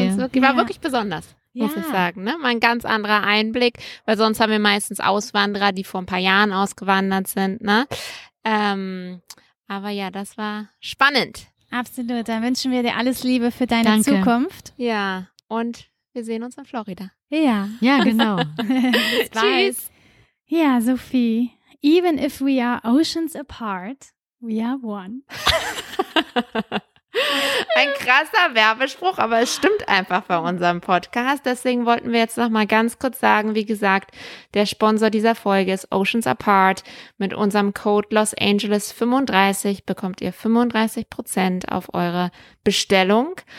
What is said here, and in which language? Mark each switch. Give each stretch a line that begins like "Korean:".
German: uns wirklich, war ja wirklich besonders, muss ja ich sagen. Ne? Mal ein ganz anderer Einblick, weil sonst haben wir meistens Auswanderer, die vor ein paar Jahren ausgewandert sind. Ne? Aber ja, das war spannend. Absolut, dann wünschen wir dir alles Liebe für deine Danke Zukunft. Ja, und wir sehen uns in Florida. Ja, ja, genau. Tschüss.
English: Ja, Sophie, even if we are oceans apart, we are one.
German: Ein krasser Werbespruch, aber es stimmt einfach bei unserem Podcast. Deswegen wollten wir jetzt noch mal ganz kurz sagen, wie gesagt, der Sponsor dieser Folge ist Oceans Apart. Mit unserem Code LOSANGELES35 bekommt ihr 35% auf eure Bestellung.